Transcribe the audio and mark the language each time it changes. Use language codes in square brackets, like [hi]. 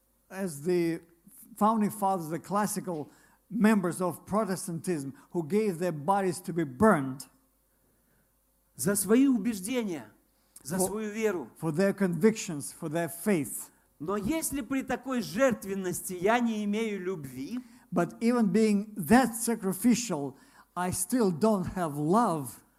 [en] As the founding fathers, the classical members of Protestantism who gave their bodies to be burned [ru] за свои убеждения, за свою веру, [en] for their convictions, for their faith. [ru] Но если при такой жертвенности я не имею любви, [en] but even being that sacrificial, I still don't have love.